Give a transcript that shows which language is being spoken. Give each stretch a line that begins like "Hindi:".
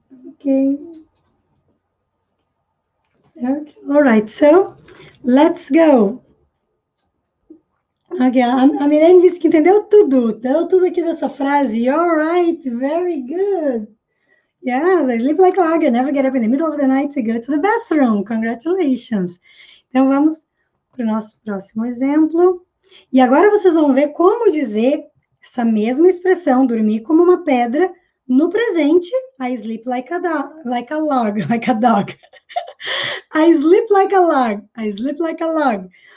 English: Ok. All right, so let's go.
Portuguese: Okay, a Miriam disse que entendeu tudo aqui dessa frase.
English: All right, very good. Yeah, I sleep like a log, I never get up in the middle of the night to go to the bathroom.
Portuguese: Congratulations. Então vamos para o nosso próximo exemplo. E agora vocês vão ver como dizer essa mesma expressão, dormir como uma pedra, no presente.
English: I sleep like a log, like a dog. I sleep like a log, I sleep like a log.